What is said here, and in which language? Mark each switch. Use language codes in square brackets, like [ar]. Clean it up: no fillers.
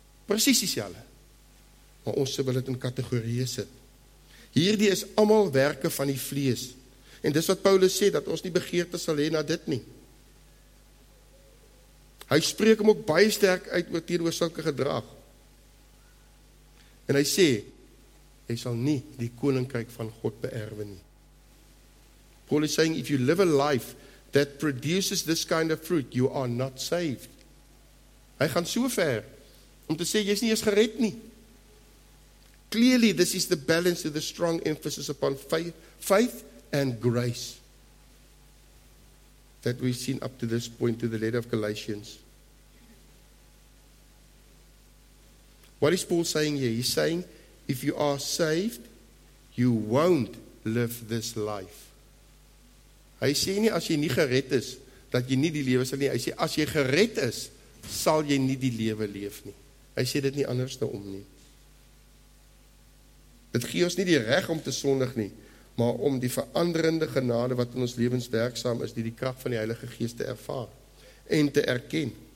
[af] Precies die selle. Maar ons wil dit in kategorieë sit. Hierdie is allemaal werke van die vlees. En dis wat Paulus sê, dat ons nie begeerte sal hê na dit nie. Hy spreek hom ook baie sterk uit oor teenoor sulke gedrag. En hy sê, hy sal nie die koninkryk van God beerwe nie. [en] Paul is saying, if you live a life that produces this kind of fruit, you are not saved. [af] Hy gaan so ver, om te sê, jy is nie eens gered nie. [en] Clearly, this is the balance of the strong emphasis upon faith and grace that we've seen up to this point through the letter of Galatians. What is Paul saying here? He's saying, if you are saved, you won't live this life. [af] Hy sê nie as jy nie gered is, dat jy nie die lewe sal nie. Hy sê, as jy gered is, sal jy nie die lewe leef nie. Hy sê dit nie anderste om nie. Dit gee ons nie die reg om te sondig nie, maar om die veranderende genade wat in ons lewens werksaam is, die krag van die Heilige Gees te ervaar en te erken.